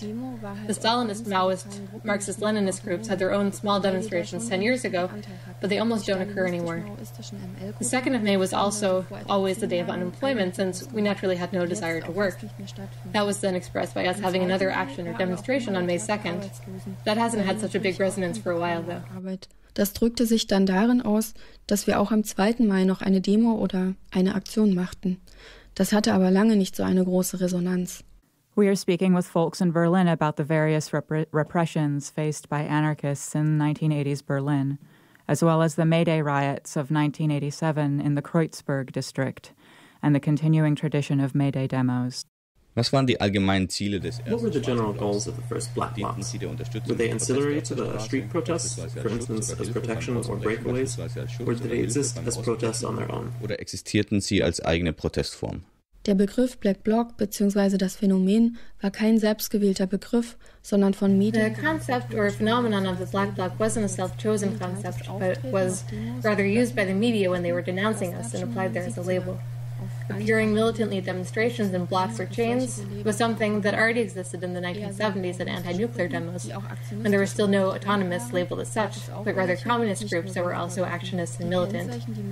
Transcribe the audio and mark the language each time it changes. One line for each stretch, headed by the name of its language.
English: The Stalinist, Maoist, Marxist-Leninist groups had their own small demonstrations 10 years ago, but they almost don't occur anymore. The 2nd of May was also always the day of unemployment, since we naturally had no desire to work. That was then expressed by us having another action or demonstration on May 2nd. That hasn't had such a big resonance for a while, though.
German: Das drückte sich dann darin aus, dass wir auch am 2. Mai noch eine Demo oder eine Aktion machten. Das hatte aber lange nicht so eine große Resonanz.
English: We are speaking with folks in Berlin about the various repressions faced by anarchists in 1980s Berlin, as well as the May Day riots of 1987 in the Kreuzberg district and the continuing tradition of May Day demos.
German: Was waren die allgemeinen Ziele des ersten?
English: What were the general goals of the first Black Blocs? Were they ancillary to the street protests, for instance, as protection or breakaways, or did they exist as protests on their own?
German: Oder existierten sie als eigene Protestform? Der Begriff Black Bloc bzw. das Phänomen war kein selbstgewählter Begriff, sondern von Medien.
English: The concept or phenomenon of the Black Bloc wasn't a self-chosen concept, but was rather used by the media when they were denouncing us and applied there as a label. Appearing militantly at demonstrations in blocks or chains was something that already existed in the 1970s at anti-nuclear demos, when there were still no autonomous labeled as such, but rather communist groups that were also actionists and militant.